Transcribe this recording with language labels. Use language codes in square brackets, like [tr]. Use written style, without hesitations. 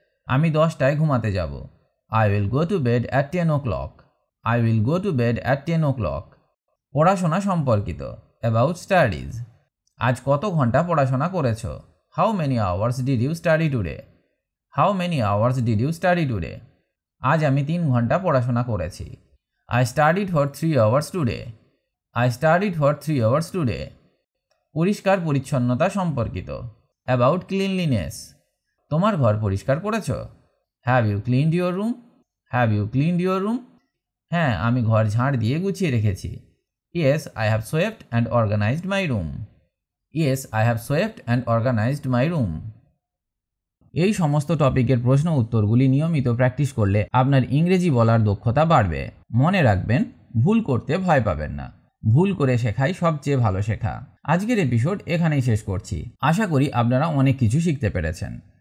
[bn] আমি 10টায় ঘুমাতে যাব। [en] I will go to bed at 10 o'clock. I will go to bed at 10 o'clock. [bn] পড়াশোনা সম্পর্কিত, [en] about studies, [bn] আজ কত ঘন্টা পড়াশোনা করেছো? [en] How many hours did you study today? How many hours did you study today? [bn] আজ আমি 3 ঘন্টা পড়াশোনা করেছি। [en] I studied for 3 hours today. I studied for 3 hours today. [bn] পরিষ্কার পরিচ্ছন্নতা সম্পর্কিত, [en] About cleanliness. [bn] তোমার ঘর পরিষ্কার করেছো? [en] Have you cleaned your room? Have you cleaned your room? [bn] হ্যাঁ, আমি ঘর ঝাড় দিয়ে গুছিয়ে রেখেছি। [en] Yes, I have swept and organized my room. Yes, I have swept and organized my room. [bn] এই সমস্ত টপিকের প্রশ্ন উত্তরগুলি নিয়মিত প্র্যাকটিস করলে আপনার ইংরেজি বলার দক্ষতা বাড়বে। মনে রাখবেন, ভুল করতে ভয় পাবেন না, ভুল করে শেখাই সবচেয়ে ভালো শেখা। আজকের এপিসোড এখানেই শেষ করছি। আশা করি আপনারা অনেক কিছু শিখতে পেরেছেন।